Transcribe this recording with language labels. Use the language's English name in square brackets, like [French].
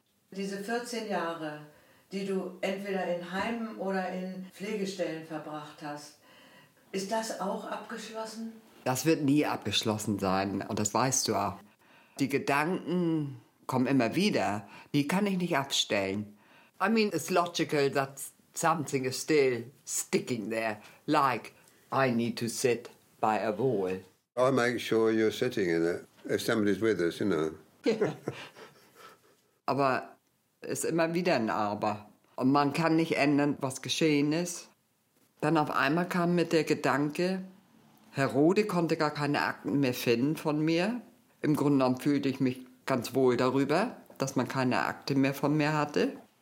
[German] Diese 14 Jahre, die du entweder in Heimen oder in Pflegestellen verbracht hast, ist das auch abgeschlossen? Das wird nie abgeschlossen sein und das weißt du auch. Die Gedanken kommen immer wieder, die kann ich nicht abstellen. [English] I mean, it's logical that something is still sticking there, like I need to sit by a wall. I make sure you're sitting in it, if somebody's with us, you know. [German] Aber es ist immer wieder ein Aber. Und man kann nicht ändern, was geschehen ist. Dann auf einmal kam mir der Gedanke, Herr Rode konnte gar keine Akten mehr finden von mir. Im Grunde genommen fühlte ich mich ganz wohl darüber, dass man keine Akte mehr von mir hatte.